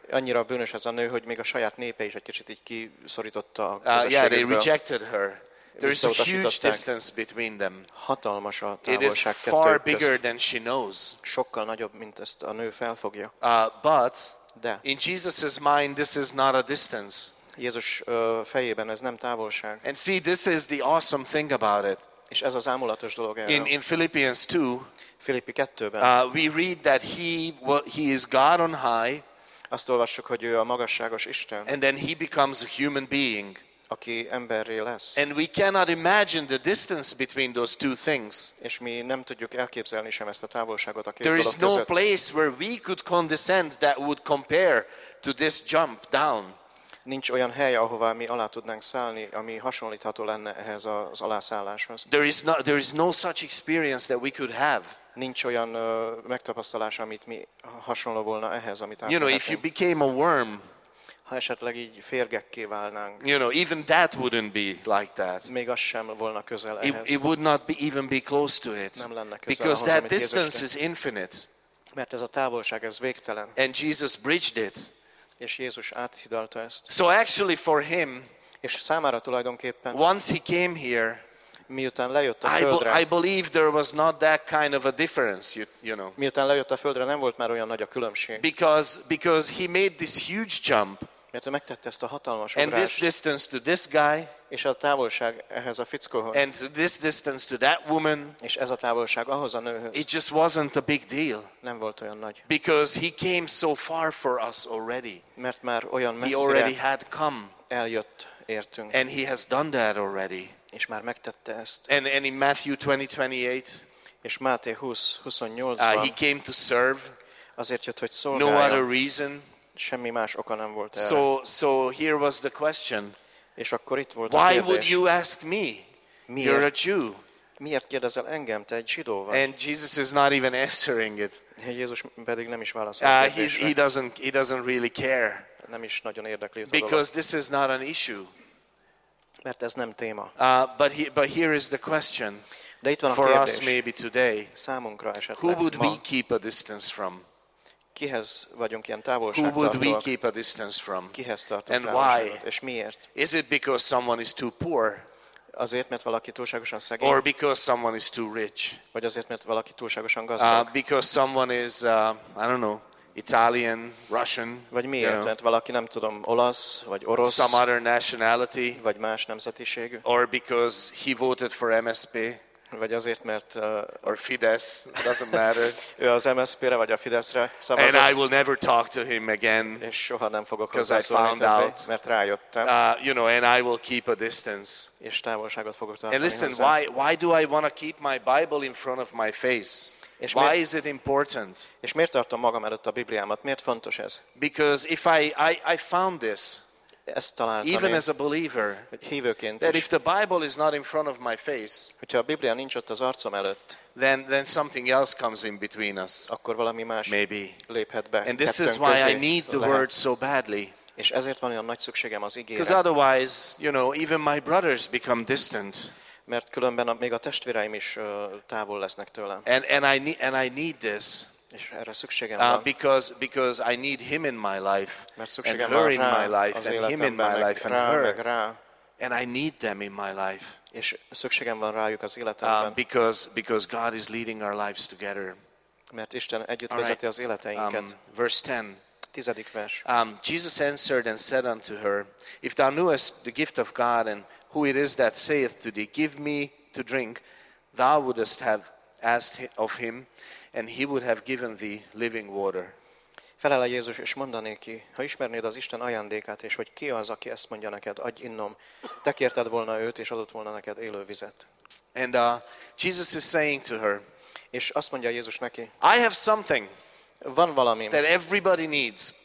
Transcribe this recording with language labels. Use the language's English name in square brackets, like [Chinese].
[Hungarian] Annyira bűnös ez a nő, hogy még a saját népe is egy kicsit így kiszorította a közösségből. [English] Yeah, they rejected her. There is a huge distance between them. [Hungarian] Hatalmas a távolság kettőjük között. [English] It is far bigger than she knows. [Hungarian] Sokkal nagyobb, mint ezt a nő felfogja. [English] But in Jesus's mind, this is not a distance. [Hungarian] Jézus fejében ez nem távolság. [English] And see, this is the awesome thing about it. [Hungarian] És ez az ámulatos dolog. [English] In Philippians 2, [Hungarian] Filippi 2-ben. [English] We read that he is God on high. [Hungarian] Azt olvassuk, hogy ő a magasságos Isten. [English] And then he becomes a human being. [Hungarian] Aki emberré lesz. [English] And we cannot imagine the distance between those two things. [Hungarian] És mi nem tudjuk elképzelni sem ezt a távolságot a két dolog között. [English] There is no place where we could condescend that would compare to this jump down. [Hungarian] Nincs olyan hely, ahová mi alá tudnánk szállni, ami hasonlítható lenne ehhez az alászálláshoz. [English] There is no such experience that we could have. [Hungarian] Nincs olyan megtapasztalás, amit mi hasonló volna ehhez, amit átlátunk. [English] You know, if you became a worm, [Hungarian] ha esetleg így férgekké válnánk, [English] you know, even that wouldn't be like that. [Hungarian] Még az sem volna közel ehhez. [English] It would not be even be close to it. [Hungarian] Nem lenne közel. [English] Because that distance is infinite. [Hungarian] Mert ez a távolság, ez végtelen. [English] And Jesus bridged it. [Hungarian] És Jézus áthidalta ezt. [English] So actually for him, [Hungarian] és számára tulajdonképpen, [English] once he came here, [Hungarian] miután lejött a földre, [English] I believe there was not that kind of a difference, you know. [Hungarian] Miután lejött a földre, nem volt már olyan nagy a különbség. [English] Because he made this huge jump. [Hungarian] Mert ő megtette ezt a hatalmas ugrást. [English] And this distance to this guy, [Hungarian] és a távolság ehhez a fickóhoz. [English] And this distance to that woman, [Hungarian] és ez a távolság ahhoz a nőhöz. [English] It just wasn't a big deal. [Hungarian] Nem volt olyan nagy. [English] Because he came so far for us already. [Hungarian] Mert már olyan messzire. [English] He already had come. [Hungarian] Eljött értünk. [English] And he has done that already. [Hungarian] És már megtette ezt. [English] And in Matthew 20:28, [Hungarian] és Máté 20:28-ban, [English] he came to serve. [Hungarian] Azért jött, hogy szolgáljon. [English] No other reason. [Hungarian] Semmi más oka nem volt erre. [English] So here was the question. [Hungarian] És akkor itt volt a kérdés. [English] Why would you ask me? [Hungarian] Miért? [English] You're a Jew. [Hungarian] Miért kérdezel engem? Te egy zsidó vagy. [English] And Jesus is not even answering it. [Hungarian] Jézus pedig nem is válaszol a kérdésre. [English] He doesn't really care. [Hungarian] Nem is nagyon érdekli a dolog. [English] Because this is not an issue. [Hungarian] Mert ez nem téma. [English] But here is the question. [Hungarian] De itt van a [English] for [Hungarian] kérdés. [English] For us maybe today. [Hungarian] Számunkra esetleg. [English] Who would [Hungarian] ma? [English] We keep a distance from? [Hungarian] Kihez vagyunk ilyen távolságtartóak? [English] Who would we keep a distance from? [Hungarian] Kihez tartunk [English] and why? [Hungarian] És miért? [English] Is it because someone is too poor? [Hungarian] Azért, mert valaki túlságosan szegény? [English] Or because someone is too rich? [Hungarian] Vagy azért, mert valaki túlságosan gazdag? [English] Because someone is, I don't know, Italian, Russian. [Hungarian] Vagy miért? [English] You know? [Hungarian] Mert valaki, nem tudom, olasz, vagy orosz. [English] Some other nationality. [Hungarian] Vagy más nemzetiségű. [English] Or because he voted for MSP. [Hungarian] Vagy azért, mert [English] or Fidesz, doesn't matter. [Hungarian] Ő az MSZP-re vagy a Fideszre szavazott. [English] And I will never talk to him again. [Hungarian] És soha nem fogok hozzászólni többé, mert rájöttem. [English] You know, and I will keep a distance. [Hungarian] És távolságot fogok tartani. [English] And listen, why do I want to keep my Bible in front of my face? [Hungarian] És [English] why is it important? [Hungarian] És miért tartom magam előtt a Bibliámat? Miért fontos ez? [English] Because if I found this, [Hungarian] ezt találtam, [English] even as a believer, [Hungarian] hívőként [English] that [Hungarian] is, [English] if the Bible is not in front of my face, [Hungarian] hogyha a Biblia nincs ott az arcom előtt, [English] then something else comes in between us, [Hungarian] akkor valami más [English] maybe [Hungarian] léphet be. [English] And this is why I need the word so badly. [Hungarian] És ezért van olyan nagy szükségem az igére. [English] Because otherwise, you know, even my brothers become distant. [Hungarian] Mert különben még a testvéreim is távol lesznek tőlem. [English] And I need this. [Hungarian] És erre szükségem van. [English] Because I need him in my life. [Hungarian] Mert szükségem van rá, [English] in my life [Hungarian] az életemben, [English] and him in my life [Hungarian] rá, [English] and her. [Hungarian] Meg rá. [English] And I need them in my life. [Hungarian] És szükségem van rájuk az életemben. [English] Because God is leading our lives together. [Hungarian] Mert Isten együtt vezeti [English] right. [Hungarian] az életeinket. [English] Verse 10. [Hungarian] Tizedik vers. [English] Jesus answered and said unto her, If thou knewest the gift of God and who it is that saith to thee, Give me to drink, thou wouldest have asked of him, and he would have given thee living water. [Hungarian] Felel a Jézus, és mondané ki, ha ismernéd az Isten ajándékát, és hogy ki az, aki ezt mondja neked, adj innom, te kérted volna őt, és adott volna neked élő vizet. [English] And Jesus is saying to her, [Hungarian] és azt mondja Jézus neki, [English] I have something [Hungarian] van valami, [English] that everybody needs,